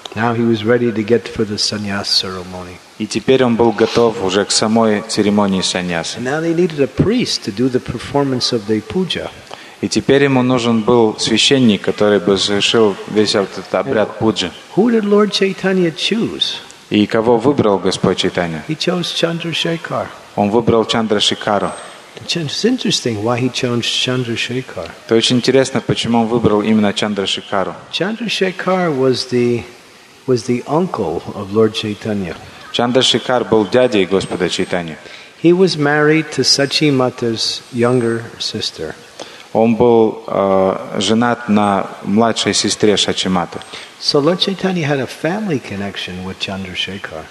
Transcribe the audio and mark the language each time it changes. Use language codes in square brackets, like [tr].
[en] Now he was ready to get for the sannyas ceremony. [ru] И теперь он был готов уже к самой церемонии саньяса. [en] And now they needed a priest to do the performance of the puja. [ru] И теперь ему нужен был священник, который бы совершил весь этот обряд пуджи. [en] Who did Lord Chaitanya choose? [ru] И кого выбрал Господь Чайтанья? [en] He chose Chandrasekhar. [ru] Он выбрал Чандрашекару. [en] It's interesting why he chose Chandrasekhar. [ru] То очень интересно, почему он выбрал именно Чандрашекару. [en] Chandrasekhar was the uncle of Lord Chaitanya. [ru] Чандрашекар был дядей Господа Чайтаньи. [en] He was married to Сачи Мата's younger sister. [ru] Он был женат на младшей сестре Сачи Маты. [en] So Lord Chaitanya had a family connection with Chandrasekhar.